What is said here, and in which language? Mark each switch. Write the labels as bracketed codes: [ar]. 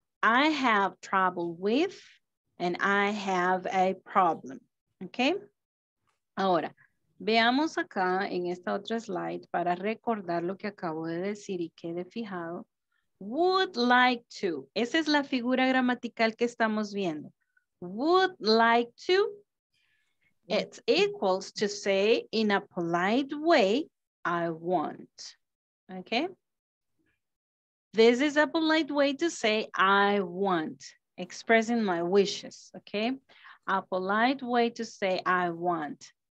[en] I have trouble with and I have a problem. Okay. [es] Ahora, veamos acá en esta otra slide para recordar lo que acabo de decir y quede fijado. [en] Would like to. [es] Esa es la figura gramatical que estamos viendo. [en] Would like to. It's equals to say in a polite way, I want. Okay? This is a polite way to say I want. Expressing my wishes. Okay? A polite way to say I want.